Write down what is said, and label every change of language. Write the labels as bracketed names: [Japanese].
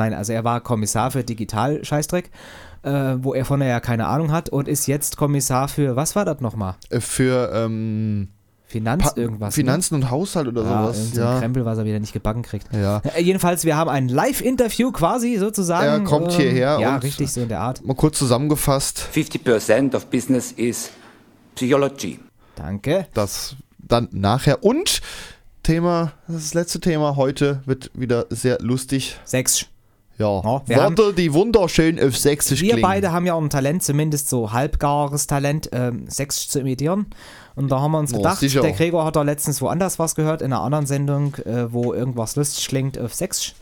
[German] Nein, also er war Kommissar für Digital-Scheißdreck, wo er von der ja keine Ahnung hat und ist jetzt Kommissar für, was war das nochmal? Für... Irgendwas. Finanzen, ne? Und Haushalt oder ja, sowas. Ja, Krempel, was er wieder nicht gebacken kriegt. Ja. Jedenfalls, wir haben ein Live-Interview quasi sozusagen. Er kommt hierher. Ja, und richtig, so in der Art. Mal kurz zusammengefasst. [English] 50% of business is psychology. [German] Danke. Das dann nachher. Und Thema, das letzte Thema heute wird wieder sehr lustig. Sächsisch. Ja, oh, Worte, die wunderschön auf Sächsisch klingen. Wir beide haben ja auch ein Talent, zumindest so halbgares Talent, Sächsisch zu imitieren. Und da haben wir uns gedacht, der Gregor hat da letztens woanders was gehört, in einer anderen Sendung, wo irgendwas lustig klingt auf Sächsisch.